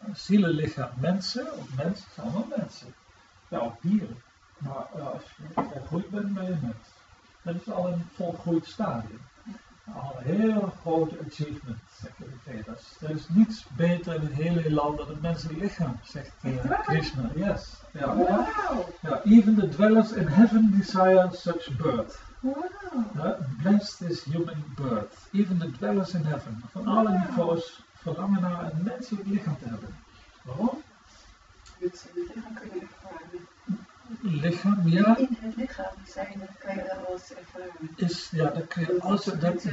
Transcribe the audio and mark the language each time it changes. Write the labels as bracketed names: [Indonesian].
[Dutch] Zielenlichaam, mensen, of mensen, zijn allemaal mensen. Ja, ook dieren. Maar als je volgroeid bent, ben je mens. Dat is al een volgroeid stadium. Al een heel groot achievement, zegt de Vedas. Er is niets beter in het hele heelal dan het menselijk lichaam, zegt Krishna. Yes. Ja, wow. Ja. [English] Even the dwellers in heaven desire such birth. Wow. Blessed is human birth. Even the dwellers in heaven. [Dutch] Van alle niveaus verlangen naar een menselijk lichaam te hebben. Waarom? Het lichaam kun je ervaren. Lichaam, ja. In het lichaam zijn, dat kun je alles ervaren. Is, ja, dat kun je alles ervaren.